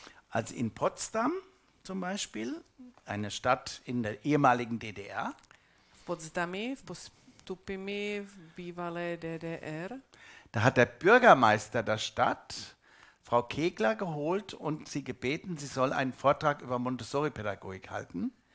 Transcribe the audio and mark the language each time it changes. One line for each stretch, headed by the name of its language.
German: Also in Potsdam zum Beispiel, eine Stadt in der ehemaligen DDR.
Czech: V Potsdamě, v postupimi v bývalé DDR.
German: Da hat der Bürgermeister der Stadt Frau Kegler geholt und sie gebeten, sie soll einen Vortrag über Montessori-Pädagogik halten.